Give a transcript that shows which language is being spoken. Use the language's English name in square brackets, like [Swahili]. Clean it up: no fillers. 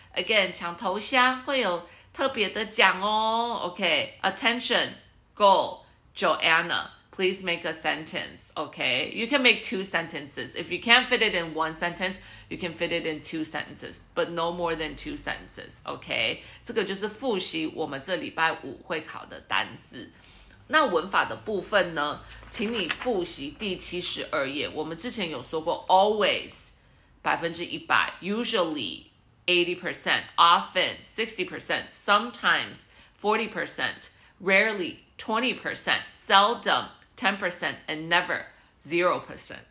[English] Again, [Chinese] 墙头下会有特别的讲哦 [English] okay, attention, goal, Joanna, please make a sentence, okay? You can make two sentences. If you can't fit it in one sentence, you can fit it in two sentences, but no more than two sentences, okay? [Chinese] 这个就是复习我们这礼拜五会考的单字。那文法的部分呢？请你复习第七十二页。我们之前有说过 [English] always, 100%, usually,80%, often, 60%, sometimes, 40%, rarely, 20%, seldom, 10%, and never, 0%.